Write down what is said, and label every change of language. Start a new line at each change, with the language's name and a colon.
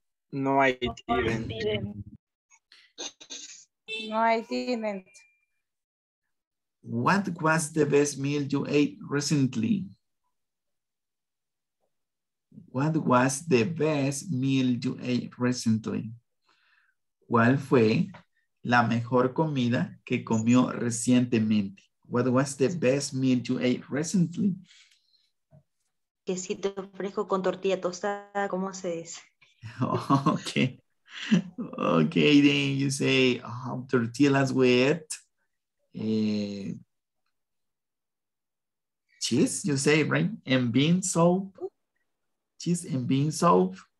English: No, I didn't. No, I didn't. What was the best meal you ate recently? What was the best meal you ate recently?
Spanish: ¿Cuál fue la mejor comida que comió recientemente?
English: What was the best meal you ate recently?
Spanish: Quesito fresco con tortilla tostada, ¿cómo se dice?
English: Okay, then you say tortillas with cheese, you say, right? And bean soup. Cheese and bean soup.